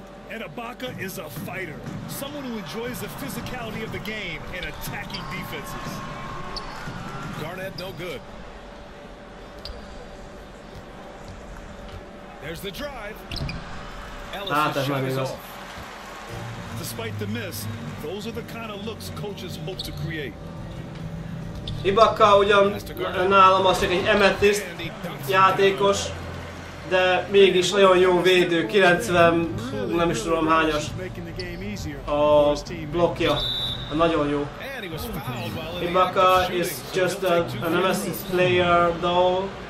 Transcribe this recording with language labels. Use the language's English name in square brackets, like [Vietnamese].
[English] And Ibaka is a fighter, someone who enjoys the physicality of the game and attacking defenses. Garnett, no good. There's the drive. Ellis is shot off. Despite the miss, those are the kind of looks coaches hope to create. [Hungarian] Ibaka ugyan nálam az csak egy emetiszt játékos. De mégis nagyon jó védő, 90, nem is tudom hányas a blokkja, nagyon jó. [English] Ibaka is just an assist player though.